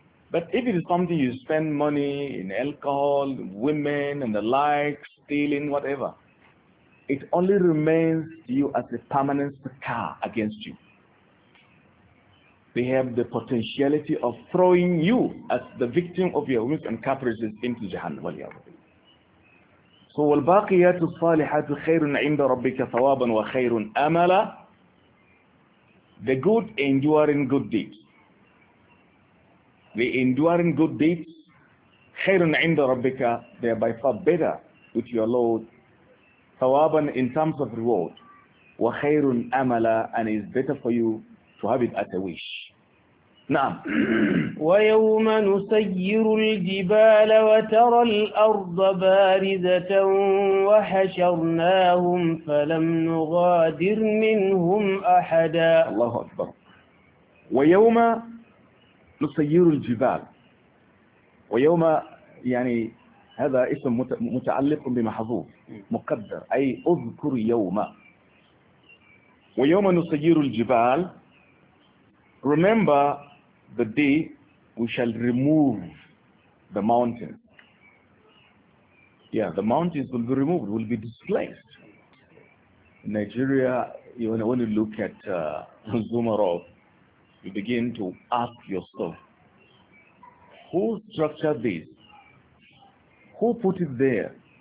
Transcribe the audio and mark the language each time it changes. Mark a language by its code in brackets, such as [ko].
[en] But if it is something you spend money in, alcohol, women and the like, stealing, whatever, it only remains to you as a permanent scar against you. They have the potentiality of throwing you as the victim of your whims and caprices into Jahannam. So [ar] والباقيات الصالحات خير عند ربك ثوابا وخير املا. [en] The good enduring good deeds. The enduring good deeds, [ar] خَيْرٌ عِنْدَ رَبِّكَ, [en] they are by far better with your Lord. ثَوَابًا in terms of reward. [ar] وَخَيْرٌ أَمَلًا, [en] and it is better for you to have it at a wish. [ar] نعم. وَيَوْمَ نُسَيِّرُ الْجِبَالَ وَتَرَى الْأَرْضَ بَارِزَةً وَحَشَرْنَاهُمْ فَلَمْ نُغَادِرْ مِنْهُمْ أَحَدًا. الله أكبر. وَيَوْمَ نسير الجبال ويوم, يعني هذا اسم متعلق بمحذوف مقدر, أي أذكر يوم. ويوم نسير الجبال, [en] remember the day we shall remove the mountain. Yeah, the mountains will be removed, will be displaced. In Nigeria, when you look at Zumarov, you begin to ask yourself, who structured this? Who put it there?